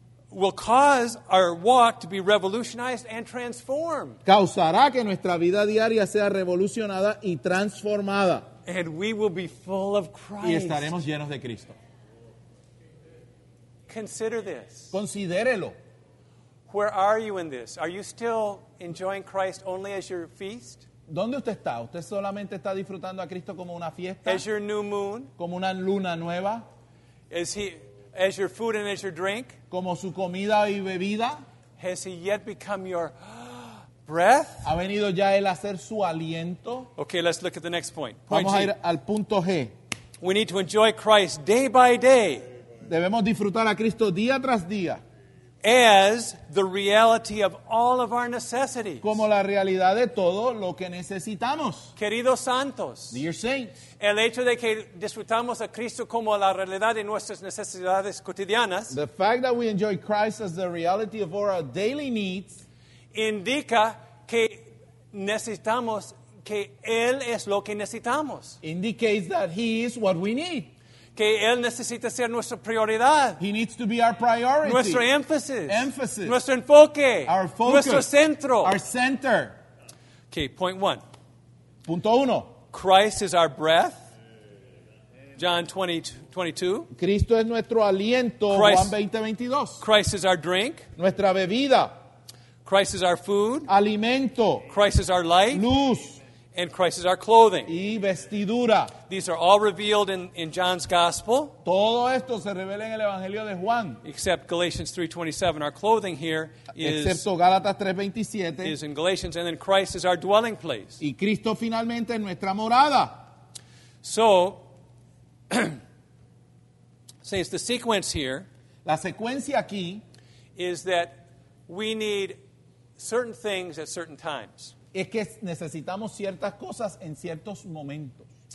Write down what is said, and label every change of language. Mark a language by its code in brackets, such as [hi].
[en] will cause our walk to be revolutionized and transformed. [es] Causará que nuestra vida diaria sea revolucionada y transformada. [en] And we will be full of Christ. [es] Y estaremos llenos de Cristo. [en] Consider this. [es] Considérelo. [en] Where are you in this? Are you still enjoying Christ only as your feast? [es] ¿Dónde usted está? ¿Usted solamente está disfrutando a Cristo como una fiesta? [en] As your new moon? [es] ¿Como una luna nueva? [en] As your food and as your drink? [es] ¿Como su comida y bebida? [en] Has he yet become your breath? [es] ¿Ha venido ya él a ser su aliento? [en] Okay, let's look at the next point. [es] Vamos a ir al punto G. [en] We need to enjoy Christ day by day. [es] Debemos disfrutar a Cristo día tras día. [en] As the reality of all of our necessities. [es] Como la realidad de todo lo que necesitamos. Queridos santos. [en] Dear saints. [es] El hecho de que disfrutamos a Cristo como la realidad de nuestras necesidades cotidianas. [en] The fact that we enjoy Christ as the reality of all our daily needs. [es] Indica que necesitamos que Él es lo que necesitamos. [en] Indicates that He is what we need. [es] Que Él necesita ser nuestra prioridad. [en] He needs to be our priority. [es] Nuestro énfasis. [en] Emphasis. [es] Nuestro enfoque. [en] Our focus. [es] Nuestro centro. [en] Our center. Okay, point one. [es] Punto uno. [en] Christ is our breath. John 20:22. [es] Cristo es nuestro aliento. Christ, Juan 20:22. [en] Christ is our drink. [es] Nuestra bebida. [en] Christ is our food. [es] Alimento. [en] Christ is our light. [es] Luz. [en] And Christ is our clothing. [es] Y vestidura. [en] These are all revealed in John's Gospel. [es] Todo esto se revela en el Evangelio de Juan. [en] Except Galatians 3:27. Our clothing here is, [es] excepto Gálatas 3:27. [en] Is in Galatians. And then Christ is our dwelling place. [es] Y Cristo finalmente es nuestra morada. [en] So, since the sequence here. [es] La secuencia aquí. [en] Is that we need certain things at certain times. [es] Es que necesitamos ciertas cosas en ciertos momentos.